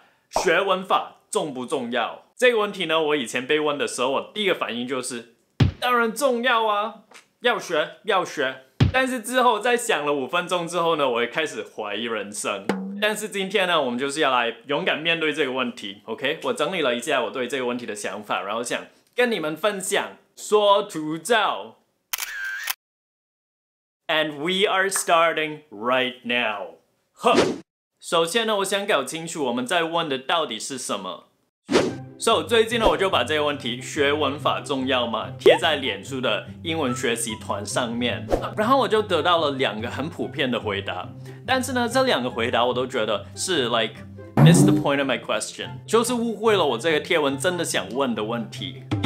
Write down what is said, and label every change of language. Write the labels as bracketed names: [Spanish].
[Chinese] 今天呢,我们要来探讨一下学文法重不重要?这个问题呢,我以前被问的时候,我第一个反应就是 当然重要啊! 要学。但是之后,在想了5分钟之后呢,我也开始怀疑人生。但是今天呢,我们就是要来勇敢面对这个问题, OK? 我整理了一下我对这个问题的想法, 然后想跟你们分享。说图照 [English] And we are starting right now. [Chinese] 首先呢，我想搞清楚我们在问的到底是什么。所以最近呢，我就把这个问题学文法重要吗贴在脸书的英文学习团上面，然后我就得到了两个很普遍的回答。但是呢，这两个回答我都觉得是 [English] like miss the point of my question， [Chinese] 就是误会了我这个贴文真的想问的问题。